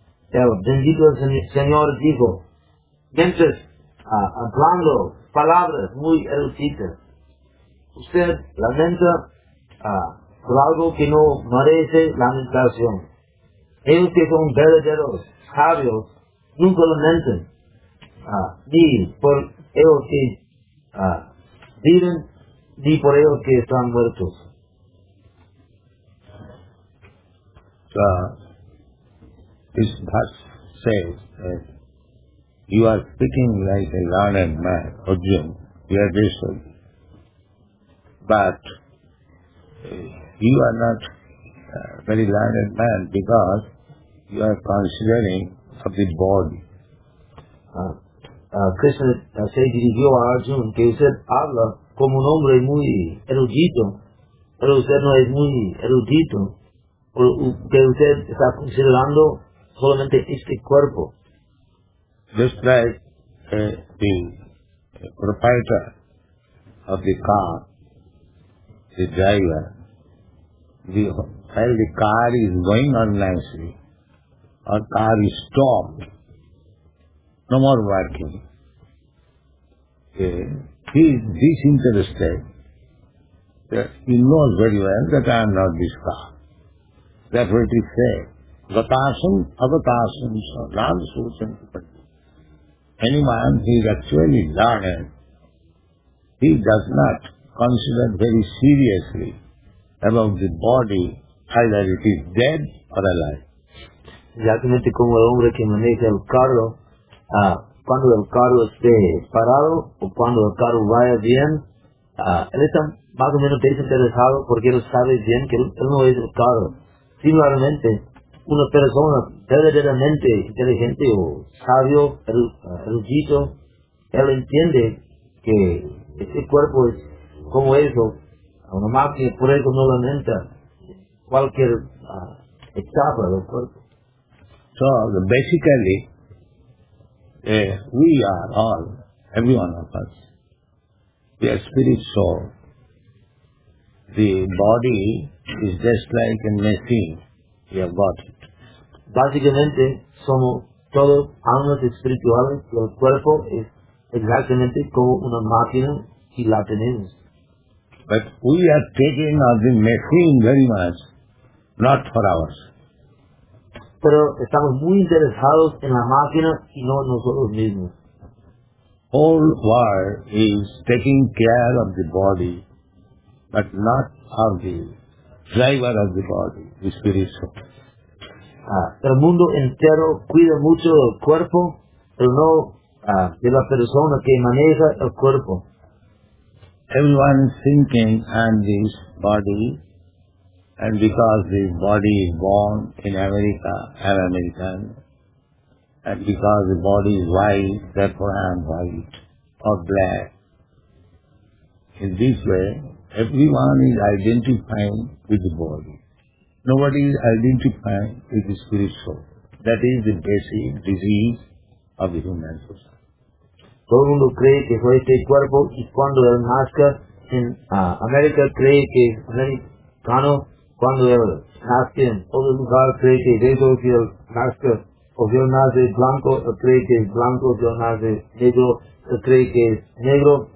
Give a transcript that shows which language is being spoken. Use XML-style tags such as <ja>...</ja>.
<es>El bendito Señor dijo, mientras hablando palabras muy erudidas, usted lamenta por algo que no merece lamentación. Ellos que son verdaderos sabios nunca lamentan. Ni por ellos que viven, ni por ellos que están muertos.</es> <en>This verse says that you are speaking like a learned man, Arjuna, you are this one. But you are not a very learned man because you are considering of the body.</en> <es>Krishna se dirigió a Arjuna que usted habla como un hombre muy erudito, pero usted no es muy erudito, porque usted está considerando solamente este cuerpo.</es> <en>Just like the proprietor of the car, the driver, while the car is going on nicely, or car is stopped, no more working. He is disinterested. He knows very well that I am not this car. That's what he said.</en> <sa>Gatasam, avatasam, so non sochanti.</sa> <en>Anyone who is actually learned, he does not consider very seriously about the body, either it is dead or alive.</en> <es>Exactamente como el hombre que maneja el carro, cuando el carro esté parado o cuando el carro vaya bien, él está más o menos desinteresado porque él sabe bien que él no es el carro. Similarmente, una persona verdaderamente inteligente o sabio, erudito, él entiende que ese cuerpo es como eso, una máquina puede continuamente cualquier etapa del cuerpo.</es> <en>So basically, we are all, every one of us, we are spirit soul. The body is just like a machine. We have got it.</en> <es>Básicamente, somos todos almas espirituales y el cuerpo es exactamente como una máquina y la tenemos.</es> <en>But we are taking of the machine very much, not for ours.</en> <es>Pero estamos muy interesados en la máquina y no nosotros mismos.</es> <en>Whole world is taking care of the body, but not of the driver of the body, the spirit soul.</en> <es>El mundo entero cuida mucho del cuerpo, pero no de la persona que maneja el cuerpo.</es> <en>Everyone is thinking on this body, and because the body is born in America, I'm American, and because the body is white, therefore I am white or black. In this way, everyone is identifying with the body. Nobody is identifying with the spirit soul. That is the basic disease of the human person.</en> <es>Todo el mundo cree que fue este cuerpo y cuando él nazca en América cree que es americano, cuando él nazca en otro lugar cree que negro, si él nazca o si él nace blanco, él cree que es blanco, si él nace negro, él cree que es negro.</es>